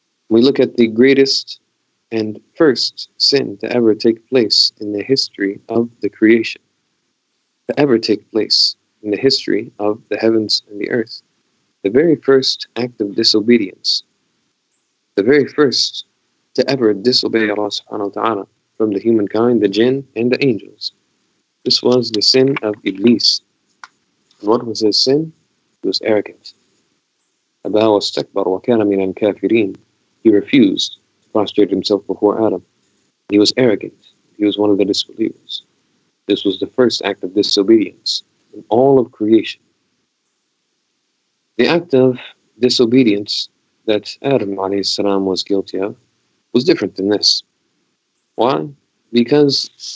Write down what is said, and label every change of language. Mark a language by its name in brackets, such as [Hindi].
[English] We look at the greatest and first sin to ever take place in the history of the creation, to ever take place in the history of the heavens and the earth. The very first act of disobedience, the very first to ever disobey Allah subhanahu wa ta'ala from the humankind, the jinn, and the angels. This was the sin of Iblis. And what was his sin? He was arrogant. [Arabic] أبا واستكبر وكان من الكافرين. [English] He refused to prostrate himself before Adam. He was arrogant. He was one of the disbelievers. This was the first act of disobedience in all of creation. The act of disobedience that Adam alayhi salam was guilty of was different than this. Why? Because